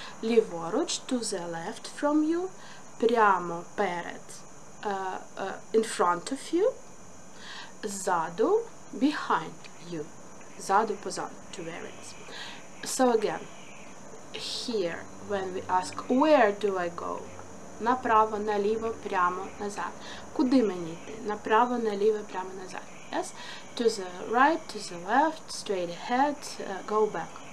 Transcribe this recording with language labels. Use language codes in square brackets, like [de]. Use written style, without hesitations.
[uk] Ліворуч, [en] to the left from you. [uk] Прямо перед, [en] in front of you. [uk] Ззаду, [en] behind you. [uk] Ззаду, позаду, [en] to where it is. So again, here, when we ask, where do I go? [uk] Направо, наліво, прямо, назад. Куди мені йти? Направо, наліво, прямо, назад. [en] yes? To the right, to the left, straight ahead, go back.